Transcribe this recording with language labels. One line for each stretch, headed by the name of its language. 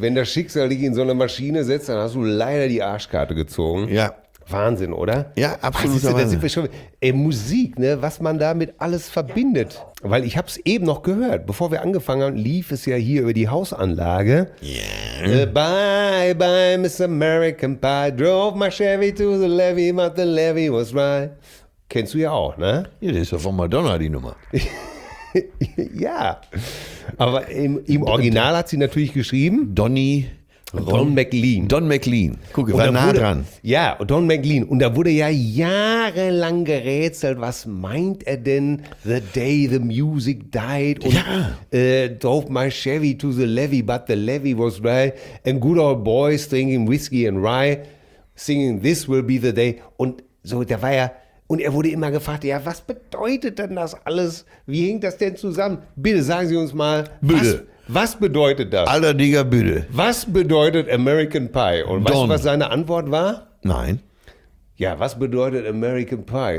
German: Wenn das Schicksal dich in so eine Maschine setzt, dann hast du leider die Arschkarte gezogen. Ja. Wahnsinn, oder? Ja, absolut. Musik, ne? Was man damit alles verbindet. Weil ich habe es eben noch gehört. Bevor wir angefangen haben, lief es ja hier über die Hausanlage.
English: Yeah. Bye, bye, Mr. American Pie. Drove my Chevy to the levee, but the levee was dry.
German: Kennst du ja auch, ne? Ja, das ist ja von Madonna die Nummer. Ja. Aber im Original hat sie natürlich geschrieben. Don McLean. Guck, war nah dran. Ja, Don McLean. Und da wurde ja jahrelang gerätselt, was meint er denn?
English: The day the music died.
German: Und
English: Drove my Chevy to the levee, but the levee was dry. And good old boys drinking whiskey and rye, singing this will be the day.
German: Und so, da war ja, und er wurde immer gefragt, ja, was bedeutet denn das alles? Wie hängt das denn zusammen? Bitte sagen Sie uns mal. Bitte. Was bedeutet das? Alter Digger, bitte. Was bedeutet American Pie? Und weißt du, was seine Antwort war? Nein. Ja, was bedeutet American Pie?